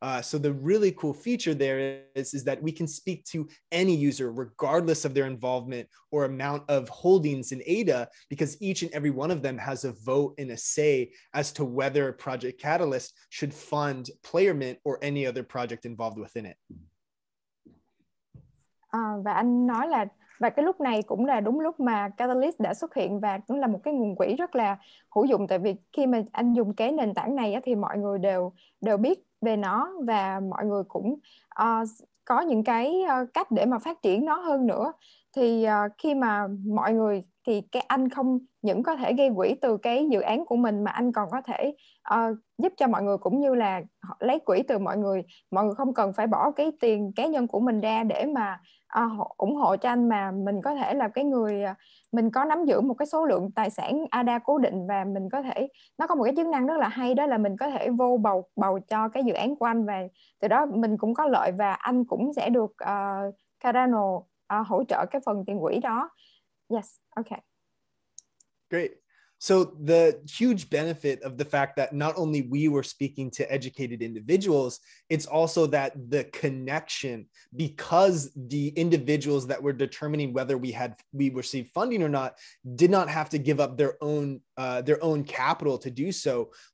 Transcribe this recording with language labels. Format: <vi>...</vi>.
<en>So the really cool feature there is that we can speak to any user regardless of their involvement or amount of holdings in ADA, because each and every one of them has a vote and a say as to whether Project Catalyst should fund Player Mint or any other project involved within it.</en> <vi>Và anh nói là, và cái lúc này cũng là đúng lúc mà Catalyst đã xuất hiện và cũng là một cái nguồn quỹ rất là hữu dụng, tại vì khi mà anh dùng cái nền tảng này thì mọi người đều biết về nó và mọi người cũng có những cái cách để mà phát triển nó hơn nữa. Thì khi mà mọi người thì cái anh không những có thể gây quỹ từ cái dự án của mình mà anh còn có thể giúp cho mọi người cũng như là lấy quỹ từ mọi người. Mọi người không cần phải bỏ cái tiền cá nhân của mình ra để mà ủng hộ cho anh, mà mình có thể là cái người mình có nắm giữ một cái số lượng tài sản ADA cố định, và mình có thể, nó có một cái chức năng rất là hay, đó là mình có thể vô bầu cho cái dự án của anh, và từ đó mình cũng có lợi và anh cũng sẽ được Cardano hỗ trợ cái phần tiền quỹ đó.</vi> <en>Yes, okay. Great. So the huge benefit of the fact that not only we were speaking to educated individuals, it's also that the connection, because the individuals that were determining whether we received funding or not did not have to give up their own capital to do so.</en>